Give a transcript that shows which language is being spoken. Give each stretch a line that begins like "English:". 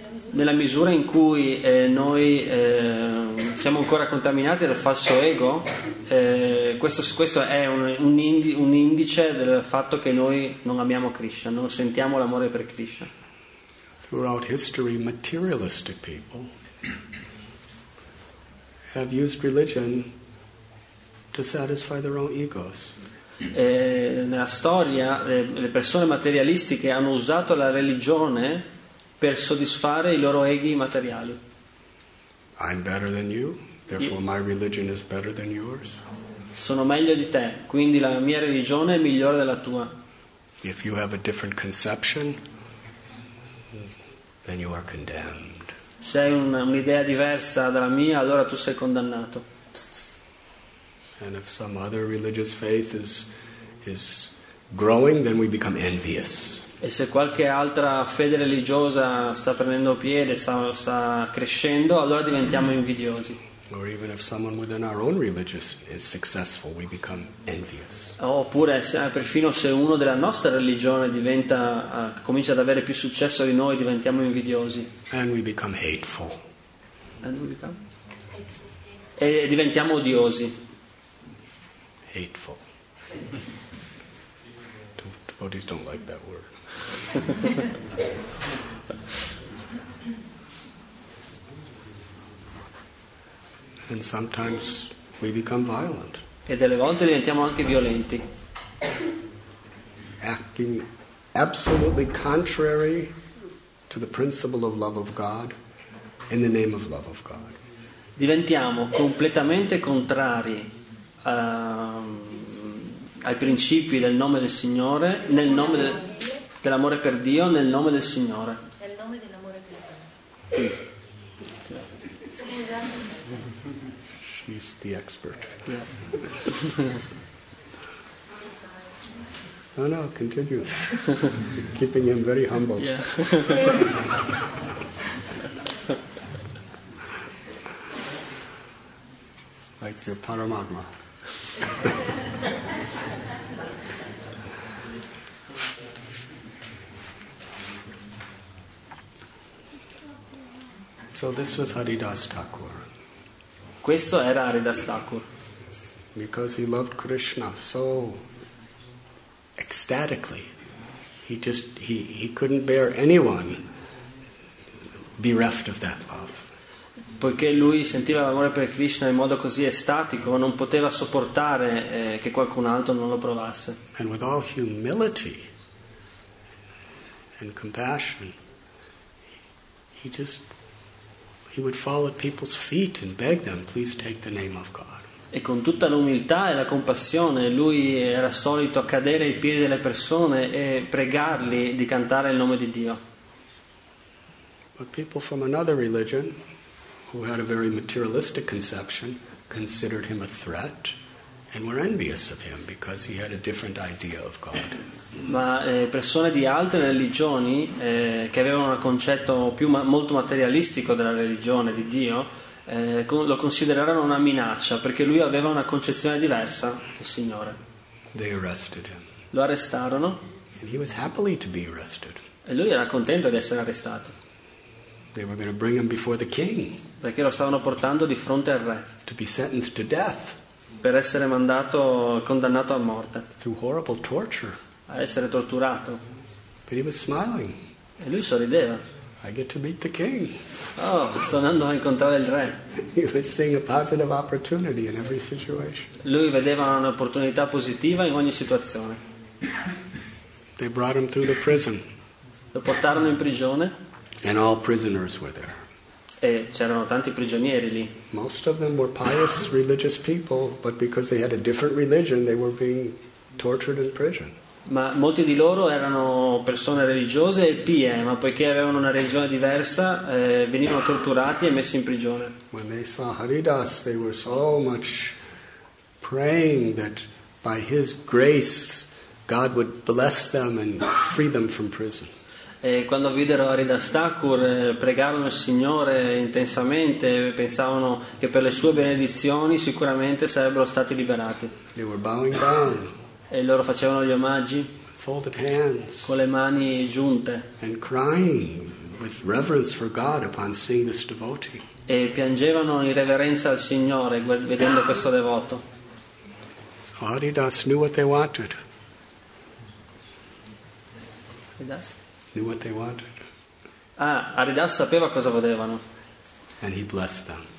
Italian: Nella misura in cui noi siamo ancora contaminati dal falso ego, questo è un indice del fatto che noi non amiamo Krishna, non sentiamo l'amore per Krishna.
English: Throughout history, materialistic people have used religion to satisfy their own egos.
Italian: Nella storia, le persone materialistiche hanno usato la religione per soddisfare i loro eghi materiali.
English: I'm better than you, therefore my religion is better than yours.
Italian: Sono meglio di te, quindi la mia religione è migliore della tua.
English: If you have a different conception, then you are condemned.
Italian: Se hai un'idea diversa dalla mia, allora tu sei condannato.
English: And if some other religious faith is growing, then we become envious.
Italian: E se qualche altra fede religiosa sta prendendo piede, sta crescendo, allora diventiamo invidiosi.
English: Or even if someone within our own religion is successful, we become envious.
Italian: Oppure perfino se uno della nostra religione diventa comincia ad avere più successo di noi, diventiamo invidiosi.
English: And we become hateful. And we become hateful.
Italian: E diventiamo odiosi.
English: Hateful. Devotees don't like that word. And sometimes we become violent.
Italian: E delle volte diventiamo anche violenti.
English: Acting absolutely contrary to the principle of love of God in the name of love of God.
Italian: Diventiamo completamente contrari ai principi del nome del Signore, nel nome dell'amore per Dio, nel nome del Signore. Nel nome dell'amore per Dio. Scusa.
English: She's the expert. Yeah. No, continue. Keeping him very humble. Yeah. Like your Paramatma. So this was Haridas Thakur.
Italian: Questo era Haridas Thakur.
English: Because he loved Krishna so ecstatically, he couldn't bear anyone bereft of that love.
Italian: Poiché lui sentiva l'amore per Krishna in modo così estatico, non poteva sopportare che qualcun altro non lo provasse.
English: And with all humility and compassion, he would fall at people's feet and beg them, please take the name of God.
Italian: E con tutta l'umiltà e la compassione lui era solito cadere ai piedi delle persone e pregarli di cantare il nome di Dio.
English: But people from another religion who had a very materialistic conception considered him a threat and were envious of him because he had a different idea of God.
Italian: Ma persone di altre religioni che avevano un concetto più molto materialistico della religione di Dio lo considerarono una minaccia perché lui aveva una concezione diversa del Signore.
English: They arrested him.
Italian: Lo arrestarono.
English: And he was happily to be arrested.
Italian: E lui era contento di essere arrestato.
English: They were going to bring him before the king.
Italian: Perché lo stavano portando di fronte al re.
English: To be sentenced to death.
Italian: Per essere mandato, condannato a morte.
English: Through horrible torture.
Italian: A essere torturato.
English: But he was smiling.
Italian: E lui sorrideva.
English: I get to meet the king.
Italian: Oh, sto andando a incontrare il re.
English: He was seeing a positive opportunity in every situation.
Italian: Lui vedeva un'opportunità positiva in ogni situazione.
English: They brought him through the prison.
Italian: Lo portarono in prigione.
English: And all prisoners were there.
Italian: E c'erano tanti prigionieri lì.
English: Most of them were pious religious people, but because they had a different religion, they were being tortured in prison.
Italian: Ma molti di loro erano persone religiose e pie, ma poiché avevano una religione diversa, venivano torturati e messi in prigione.
English: When they saw Haridas, they were so much praying that by his grace God would bless them and free them from prison.
Italian: E quando videro Haridas Thakur, pregarono il Signore intensamente, pensavano che per le sue benedizioni sicuramente sarebbero stati liberati.
English: They were bowing down.
Italian: E loro facevano gli omaggi
English: hands,
Italian: con le mani giunte
English: and crying with reverence for God upon seeing this devotee.
Italian: E piangevano in reverenza al Signore vedendo questo devoto.
English: So Haridas knew what they wanted.
Italian: Haridas?
English: Knew what they wanted.
Italian: Ah, Haridas sapeva cosa volevano.
English: And he blessed them.